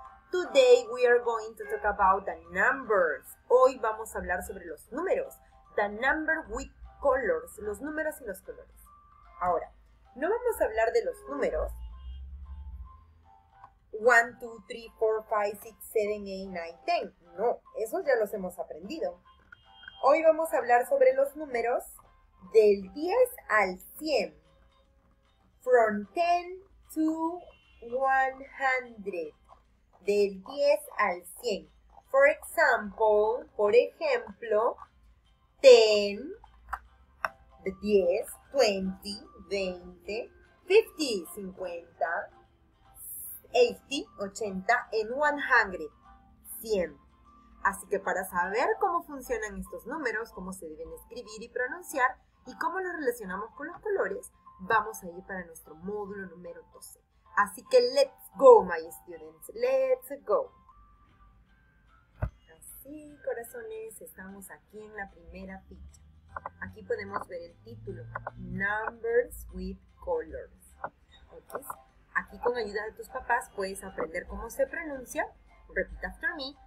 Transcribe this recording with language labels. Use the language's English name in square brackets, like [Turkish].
[English] Today we are going to talk about the numbers. [Spanish] Hoy vamos a hablar sobre los números. [English] The number with colors. [Spanish] Los números y los colores. Ahora, no vamos a hablar de los números. 1, 2, 3, 4, 5, 6, 7, 8, 9, 10. No, esos ya los hemos aprendido. Hoy vamos a hablar sobre los números del 10 al 100. From 10 to 100. Del 10 al 100. [English] For example, [Spanish] por ejemplo, 10, 10, 20, 20, 50, 50, 80, 80, en 100, 100. Así que para saber cómo funcionan estos números, cómo se deben escribir y pronunciar, y cómo los relacionamos con los colores, vamos a ir para nuestro módulo número 12. Así que [English] let's go, my students, let's go. [Spanish] Así, corazones, estamos aquí en la primera ficha. Aquí podemos ver el título, Numbers with Colors. ¿Okay? Aquí con ayuda de tus papás puedes aprender cómo se pronuncia. [English] Repeat after me.